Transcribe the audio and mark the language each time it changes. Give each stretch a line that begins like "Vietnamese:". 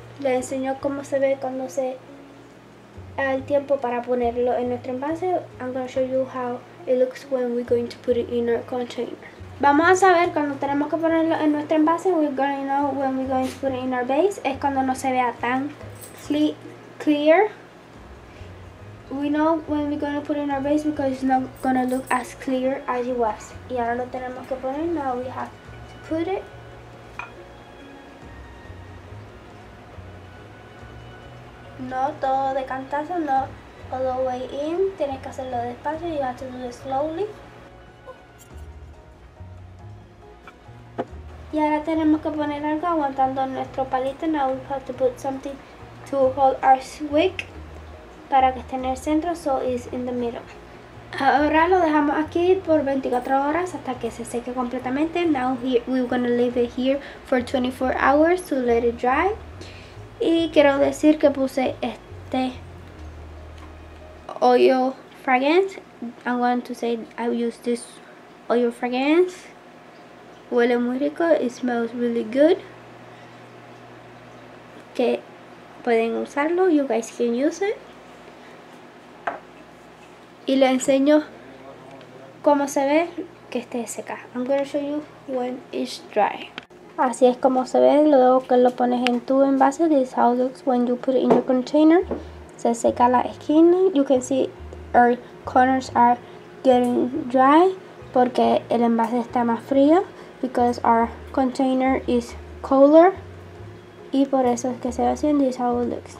Spanish: Les enseño cómo se ve cuando se el tiempo para ponerlo en nuestro envase.
English: I'm going to show you how it looks when we're going to put it in our container.
Spanish: Vamos a saber cuando tenemos que ponerlo en nuestro envase.
English: We're going to know when we're going to put it in our base.
Spanish: Es cuando no se vea tan
English: clear. We know when we're going to put it in our base because it's not going to look as clear as it was.
Spanish: Y ahora lo tenemos que poner.
English: Now we have to put it.
Spanish: No todo de cantazo, no
English: all the way in.
Spanish: Tienes que hacerlo despacio,
English: you have to do it slowly.
Spanish: Y ahora tenemos que poner algo aguantando nuestro palito.
English: Now we have to put something to hold our wick
Spanish: para que esté en el centro,
English: so it's in the middle.
Spanish: Ahora lo dejamos aquí por 24 horas hasta que se seque completamente.
English: Now we're going to leave it here for 24 hours to let it dry.
Spanish: Y quiero decir que puse este oil fragrance.
English: I'm going to say I use this oil fragrance.
Spanish: Huele muy rico.
English: It smells really good.
Spanish: Que pueden usarlo.
English: You guys can use it.
Spanish: Y le enseño cómo se ve que esté seca.
English: I'm going to show you when it's dry.
Spanish: Así es como se ve luego que lo pones en tu envase.
English: This is how it looks when you put it in your container.
Spanish: Se seca la esquina.
English: You can see our corners are getting dry
Spanish: porque el envase está más frío.
English: Because our container is cooler.
Spanish: Y por eso es que se ve así.
English: This is how it looks.